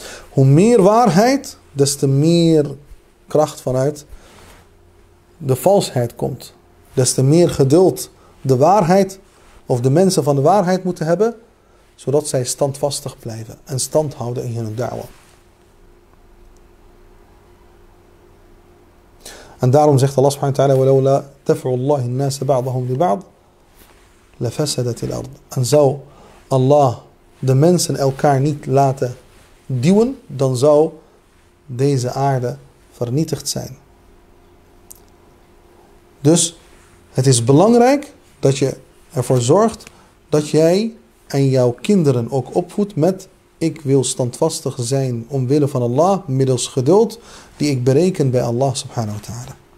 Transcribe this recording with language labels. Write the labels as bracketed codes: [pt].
[nl] Hoe meer waarheid, des te meer kracht vanuit de valsheid komt. Des te meer geduld de waarheid of de mensen van de waarheid moeten hebben, zodat zij standvastig blijven en stand houden in hun da'wa. En daarom zegt Allah subhanahu wa ta'ala, [ar] وَلَوْلَا تَفْعُوا اللَّهِ النَّاسَ بَعْضَهُمْ لِبَعْضٍ لَفَسَدَتِ الْأَرْضِ. [nl] En zou Allah de mensen elkaar niet laten duwen, dan zou deze aarde vernietigd zijn. Dus het is belangrijk dat je ervoor zorgt dat jij en jouw kinderen ook opvoedt met ik wil standvastig zijn omwille van Allah, middels geduld die ik bereken bij Allah subhanahu wa ta'ala.